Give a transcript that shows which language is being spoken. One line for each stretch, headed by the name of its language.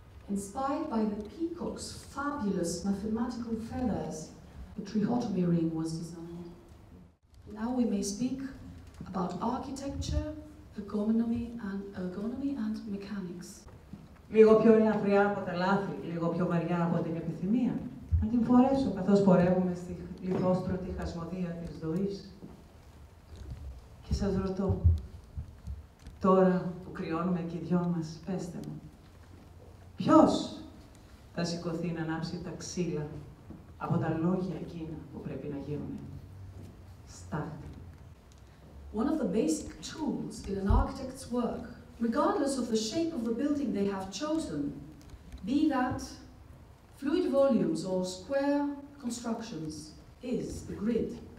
English: Inspired by the peacock's fabulous mathematical feathers, the trichotomy ring was designed. Now we may speak about architecture, ergonomy and mechanics.
Greek: Λίγο πιο ελαφριά από τα λάθη, λίγο πιο βαριά από την επιθυμία. Να την φορέσω καθώς πορεύουμε στη λιθόστρωτη χασμωδία της ζωής. Και σας ρωτώ, τώρα που κρυώνουμε και οι δυο μας, πέστε μου, ποιος θα σηκωθεί να ανάψει τα ξύλα από τα λόγια εκείνα που πρέπει να γίνουν. Στάχτη.
English: One of the basic tools in an architect's work, regardless of the shape of the building they have chosen, be that fluid volumes or square constructions, is the grid.